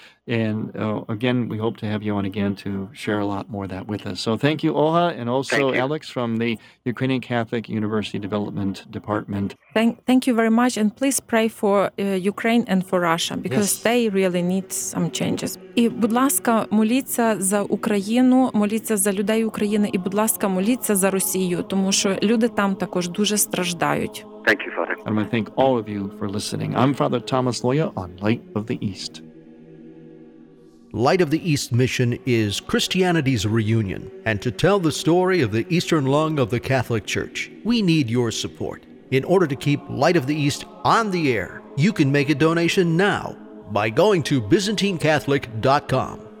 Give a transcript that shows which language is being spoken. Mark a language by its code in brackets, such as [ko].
[en] And again, we hope to have you on again to share a lot more of that with us. So thank you, Oha, and also Alex from the Ukrainian Catholic University Development Department. Thank you very much. And please pray for Ukraine and for Russia, because they really need some changes. [uk] І, будь ласка, моліться за Україну, моліться за людей України, і, будь ласка, моліться за Росію, тому що люди там також дуже страждають. [en] Thank you, Father. And I want to thank all of you for listening. I'm Father Thomas Loya on Light of the East. Light of the East mission is Christianity's reunion, and to tell the story of the Eastern Lung of the Catholic Church, we need your support. In order to keep Light of the East on the air, you can make a donation now by going to ByzantineCatholic.com.